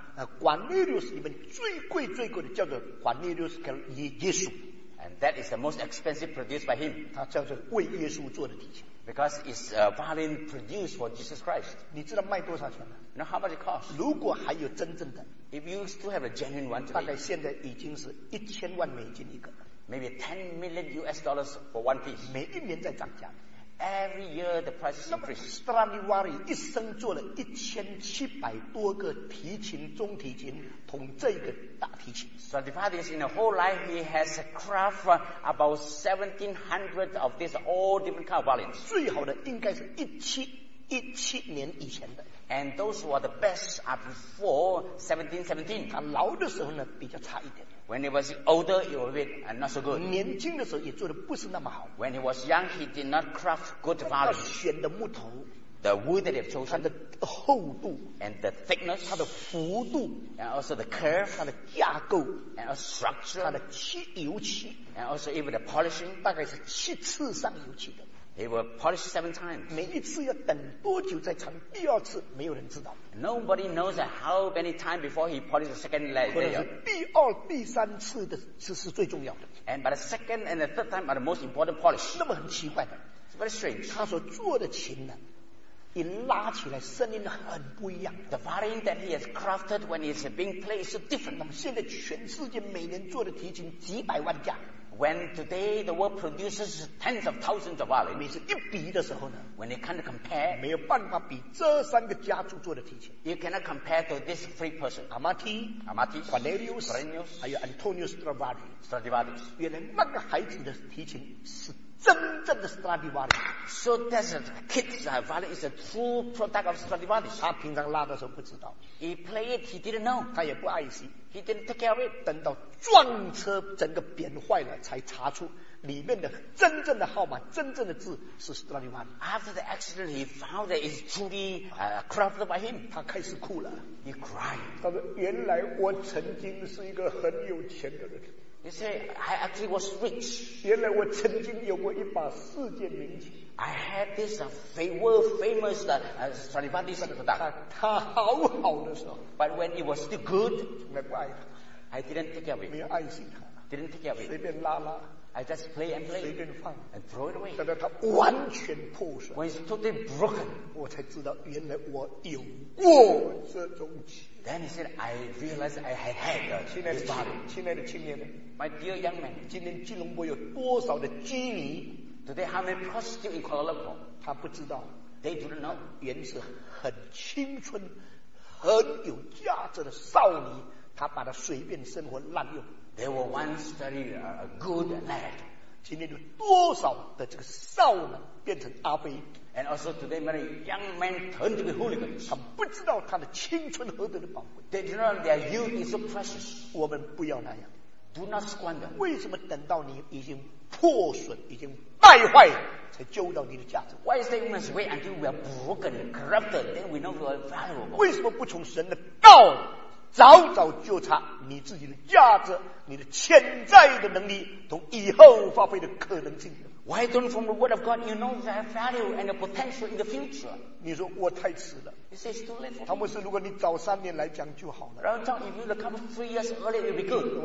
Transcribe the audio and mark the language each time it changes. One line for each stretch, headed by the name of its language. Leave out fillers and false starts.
Chinese: 那管内流斯里面最贵最贵的叫做管内流斯跟耶稣
English: ，and that is the most expensive produced by him。
Chinese: 他叫做为耶稣做的提琴
English: ，because it's a violin produced for Jesus Christ。
Chinese: 你知道卖多少钱吗
English: ？You know how much it costs？
Chinese: 如果还有真正的
English: ，if you still have a genuine one，
Chinese: 大概现在已经是1000万美金一个
English: ，maybe $10 million for one piece。
Chinese: 每一年在涨价。
English: Every year the price is increased.
Chinese: Stradivari 一生做了1700多个提琴、中提琴，同这个大提琴。
English: Stradivari in a whole life he has craft about 1700 of these all different kind of violins.
Chinese: 最好的应该是1717年以前的。
English: And those were the best are before 1717.
Chinese: 他老的时候呢比较差一点。
English: When he was older, it was a bit not so good.
Chinese: 年轻的时候也做得不是那么好。
English: When he was young, he did not craft good value.
Chinese: 他选的木头。
English: The wood that he had chosen.
Chinese: 它的厚度。
English: And the thickness.
Chinese: 它的幅度。
English: And also the curve.
Chinese: 它的架构。
English: And a structure.
Chinese: 它的漆油漆。
English: And also even the polishing.
Chinese: 大概是七次上油漆的。
English: He will polish 7 times.
Chinese: 每一次要等多久再尝第二次没有人知道。
English: Nobody knows how many times before he polished the second layer.
Chinese: 可能是第二、第三次的是最重要的。
English: And by the second and the third time are the most important polish.
Chinese: 那么很奇怪的。
English: It's very strange.
Chinese: 他所做的琴呢，一拉起来声音很不一样。
English: The violin that he has crafted when it's being played is so different.
Chinese: 那么现在全世界每年做的提琴几百万架。
English: When today the world produces tens of thousands of violins,
Chinese: 每次一比的时候呢
English: ，when you can't compare,
Chinese: 没有办法比这三个家族做的提琴。
English: You cannot compare to this three person, Amati, Amati, Quirinius, Quirinius,
Chinese: 还有 Antonio Stradivari, Stradivari. 原来那个孩子的提琴是真正的 Stradivari.
English: So that's a kid's violin is a true product of Stradivari.
Chinese: 他平常拉的时候不知道
English: ，he played it, he didn't know.
Chinese: 他也不爱惜。
English: He didn't take care of it.
Chinese: 等到撞车整个扁坏了才查出里面的真正的号码真正的字是 Stradivari.
English: After the accident he found that it's truly crafted by him.
Chinese: 他开始哭了。
English: He cried.
Chinese: 他说原来我曾经是一个很有钱的人。
English: He said I actually was rich.
Chinese: 原来我曾经有过一把世界名琴。
English: I had this world famous Stradivari product.
Chinese: 他好好的时候。
English: But when it was still good,
Chinese: 没不爱他。
English: I didn't take care of it.
Chinese: 没有爱心他。
English: Didn't take care of it.
Chinese: 随便拉拉。
English: I just play and play.
Chinese: 随便放
English: and throw it away.
Chinese: 但是它完全破损。
English: When it's totally broken,
Chinese: 我才知道原来我有过这种气。
English: Then he said, I realized I had had this body.
Chinese: 亲爱的青年们
English: ，My dear young man,
Chinese: 今天吉隆坡有多少的妓女
English: ？Today, how many prostitutes in Kuala Lumpur?
Chinese: 他不知道。
English: They do not know.
Chinese: 原是很青春、很有价值的少女，他把她随便生活滥用。
English: They were once very a good lad.
Chinese: 今天有多少的这个少男变成阿飞
English: ？And also today many young men turned to be hooligans.
Chinese: 他不知道他的青春何等的宝贵。
English: They do not know their youth is so precious.
Chinese: 我们不要那样。
English: Do not squander.
Chinese: 为什么等到你已经破损、已经败坏，才揪到你的价值
English: ？Why is that we must wait until we are broken, corrupted, then we know we are valuable?
Chinese: 为什么不从神的道？早早就察你自己的价值你的潜在的能力同以后发挥的可能性
English: Why don't from the word of God you know the value and the potential in the future
Chinese: 你说我太迟了
English: You say it's too late for me
Chinese: 汤姆斯如果你早三年来讲就好了
English: Rather if you come 3 years early it will be good